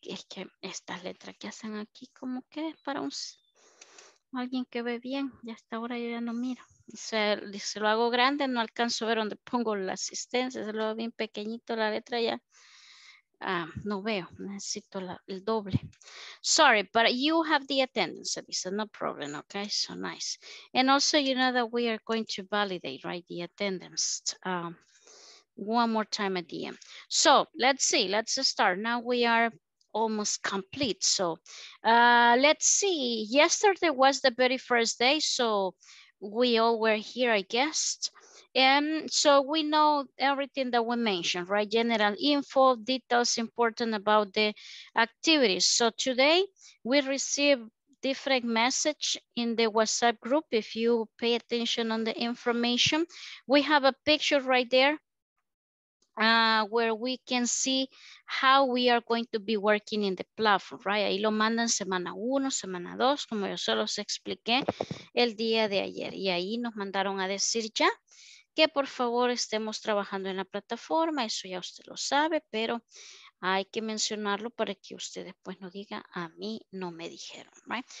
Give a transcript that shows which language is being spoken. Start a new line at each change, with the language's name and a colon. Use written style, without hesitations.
Spanish: Es que esta letra que hacen aquí, como que es para un alguien que ve bien. Y hasta ahora yo ya no miro. Se lo hago grande, no alcanzo a ver dónde pongo la asistencia. Se lo hago bien pequeñito la letra ya. no veo, necesito la, el doble.
English: Sorry, but you have the attendance, Elisa, no problem, okay? So nice. And also, you know that we are going to validate, right, the attendance. One more time at the end. So let's see, let's start. Now we are almost complete. So let's see, yesterday was the very first day. So we all were here, I guess. And so we know everything that we mentioned, right? General info, details important about the activities. So today we received different message in the WhatsApp group. If you pay attention on the information, we have a picture right there where we can see how we are going to be working in the platform, right?
Spanish: Ahí lo mandan semana uno, semana dos, como yo solo se expliqué el día de ayer. Y ahí nos mandaron a decir ya que por favor estemos trabajando en la plataforma, eso ya usted lo sabe, pero hay que mencionarlo para que usted después no diga, a mí no me dijeron, right?